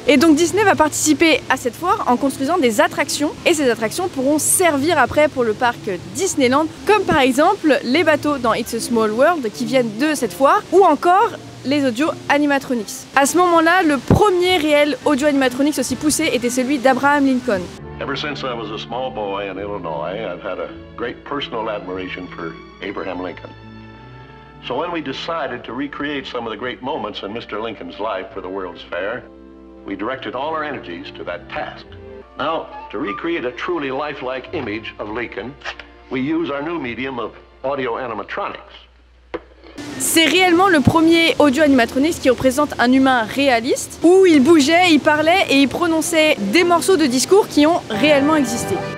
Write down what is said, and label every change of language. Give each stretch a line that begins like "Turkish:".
French: Et donc, Disney va participer à cette foire en construisant des attractions et ces attractions pourront servir après pour le parc Disneyland, comme par exemple les bateaux dans It's a Small World qui viennent de cette foire ou encore les audio animatronics. À ce moment-là, le premier réel audio animatronics aussi poussé était celui d'Abraham Lincoln.
English: Ever since I was a small boy in Illinois, I've had a great personal admiration for Abraham Lincoln. So when we decided to recreate some of the great moments in Mr. Lincoln's life for the World's Fair, we directed all our energies to that task. Now, to recreate a truly lifelike image of Lincoln, we use our new medium of audio animatronics.
French: C'est réellement le premier audio-animatronique qui représente un humain réaliste où il bougeait, il parlait et il prononçait des morceaux de discours qui ont réellement existé.